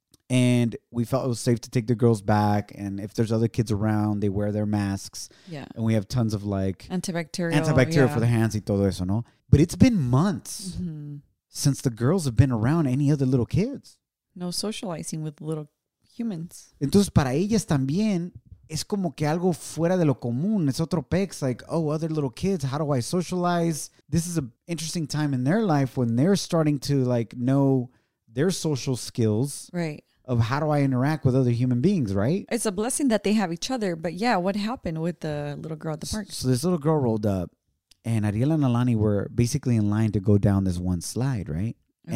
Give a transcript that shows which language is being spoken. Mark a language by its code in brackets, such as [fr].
[en] And we felt it was safe to take the girls back. And if there's other kids around, they wear their masks. Yeah. And we have tons of like antibacterial for the hands [es] y todo eso, no? [en] But it's been months since the girls have been around any other little kids. No socializing with little humans. [es] Entonces, para ellas también, es como que algo fuera de lo común. Es otro pex, [en] like, oh, other little kids, how do I socialize? This is an interesting time in their life when they're starting to like know their social skills. Right. Of how do I interact with other human beings, right? It's a blessing that they have each other. But yeah, what happened with the little girl at the park? So this little girl rolled up and Ariela and Alani were basically in line to go down this one slide, right? Okay.